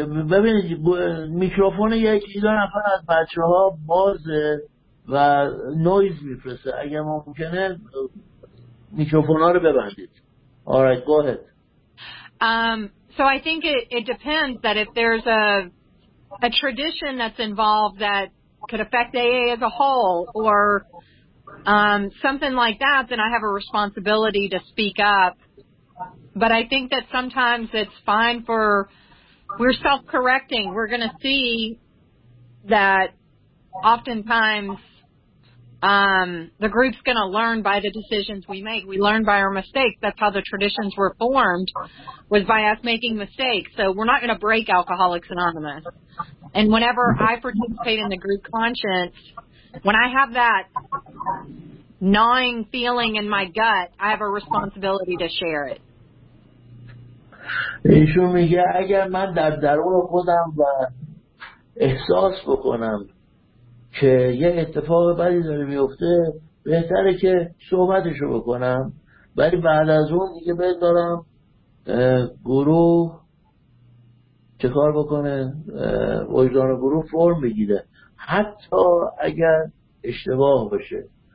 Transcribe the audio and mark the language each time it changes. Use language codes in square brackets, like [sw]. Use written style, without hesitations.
[fa] ببینید میکروفون یکی دو نفر از بچه‌ها بازه و نویز میفرسته. اگر ممکنه میکروفون‌ها رو ببندید. [en] Alright, go ahead. So I think it depends that if there's a tradition that's involved that could affect AA as a whole or something like that, then I have a responsibility to speak up. But I think that sometimes it's fine for, we're self-correcting. We're going to see that oftentimes the group's going to learn by the decisions we make. We learn by our mistakes. That's how the traditions were formed, was by us making mistakes. So we're not going to break Alcoholics Anonymous. And whenever I participate in the group conscience, when I have that gnawing feeling in my gut, I have a responsibility to share it. [fa] ایشون میگه اگر من در درون خودم و احساس بکنم که یه اتفاق بدی داره میفته بهتره که صحبتشو بکنم، ولی بعد از اون دیگه بذارم گروه چه کار بکنه، وجدان گروه فرم بگیره حتی اگر اشتباه بشه.